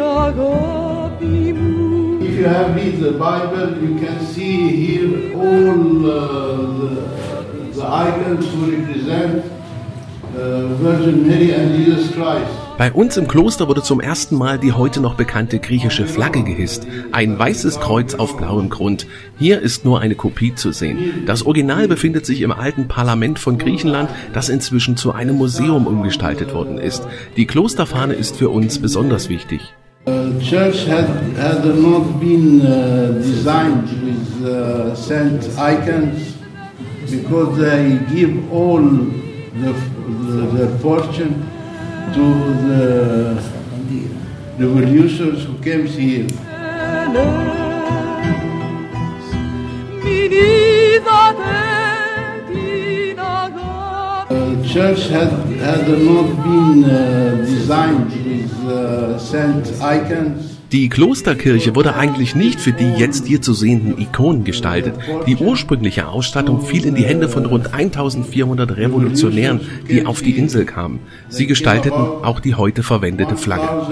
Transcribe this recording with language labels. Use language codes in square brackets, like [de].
[en] If you have read the Bible, you can see here all the icons who represent Virgin Mary and Jesus Christ. [de] Bei uns im Kloster wurde zum ersten Mal die heute noch bekannte griechische Flagge gehisst. Ein weißes Kreuz auf blauem Grund. Hier ist nur eine Kopie zu sehen. Das Original befindet sich im alten Parlament von Griechenland, das inzwischen zu einem Museum umgestaltet worden ist. Die Klosterfahne ist für uns besonders wichtig. [en] The church had not been designed with saint icons, because they give all the fortune to the revolutionaries who came here. The church had not been designed with saint icons. [de] Die Klosterkirche wurde eigentlich nicht für die jetzt hier zu sehenden Ikonen gestaltet. Die ursprüngliche Ausstattung fiel in die Hände von rund 1400 Revolutionären, die auf die Insel kamen. Sie gestalteten auch die heute verwendete Flagge.